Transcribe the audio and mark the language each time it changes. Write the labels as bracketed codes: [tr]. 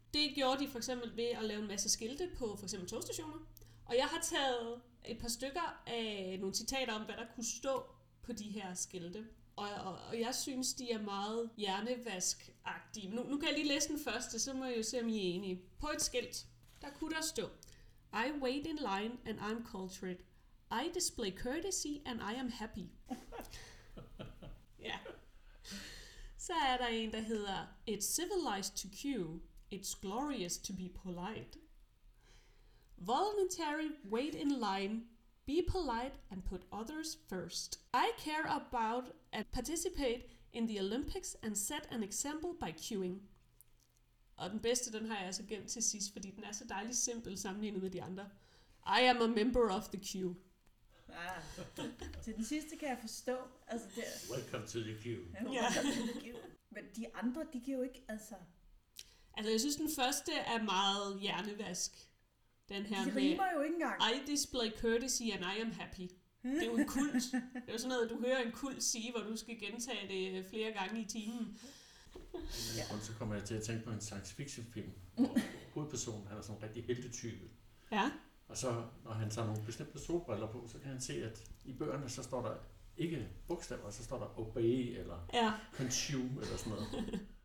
[da] Det gjorde de for eksempel ved at lave en masse skilte på for eksempel togstationer. Og jeg har taget et par stykker af nogle citater om, hvad der kunne stå på de her skilte. Og jeg synes, de er meget hjernevaskagtige. Nu kan jeg lige læse den første, så må jeg jo se, om I er enige. På et skilt, der kunne der stå: [en] I wait in line, and I'm cultured. I display courtesy, and I am happy. Ja. [da] Så er der en, der hedder: [en] It's civilized to queue. It's glorious to be polite. Voluntary wait in line. Be polite and put others first. I care about and participate in the Olympics and set an example by queuing. [da] Og den bedste, den har jeg altså gemt til sidst, fordi den er så dejligt simpel sammenlignet med de andre. [en] I am a member of the queue. [da] Til den sidste kan jeg forstå. Altså det... [en] Welcome to the queue. [da] Men de andre, de giver jo ikke, altså... Altså jeg synes, den første er meget hjernevask. Den her de rimer jo ikke engang. [en] I display courtesy and I am happy. [da] Det er jo en kult. Det er jo sådan noget, du hører en kult sige, hvor du skal gentage det flere gange i timen. Og så kommer jeg til at tænke på en science fiction film, hvor hovedpersonen, han er sådan en rigtig heldetype. Ja. Og så, når han tager nogle bestemte solbriller på, så kan han se, at i bøgerne, så står der ikke bogstaver, så står der obey eller consume eller sådan noget.